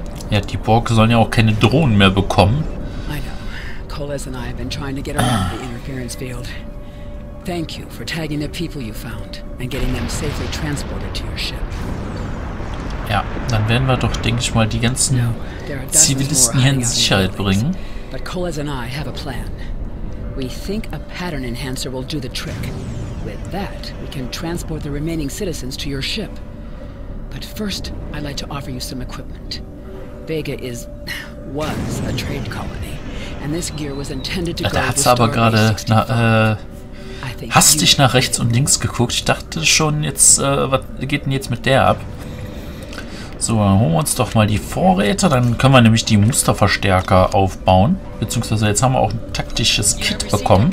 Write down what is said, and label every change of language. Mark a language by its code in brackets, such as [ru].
[de] Ja, die Borg sollen ja auch keine Drohnen mehr bekommen. [en] I know. Coles and I have been trying to get around the interference field. Thank you for tagging the people you found and getting them safely transported to your ship. [de] Ja, dann werden wir doch, denke ich mal, die ganzen Zivilisten hier in Sicherheit bringen. [en] But Coles and I have a plan. We think a pattern enhancer will do the trick. With that, we can transport the remaining citizens to your ship. But first, I'd like to offer you some equipment. Vega was a trade colony, and this gear was intended to guard the Starbase 65. [de] Da hat's aber gerade hastig nach rechts und links geguckt. Ich dachte schon, jetzt was geht denn jetzt mit der ab? So, dann holen wir uns doch mal die Vorräte, dann können wir nämlich die Musterverstärker aufbauen. Beziehungsweise jetzt haben wir auch ein taktisches Kit bekommen.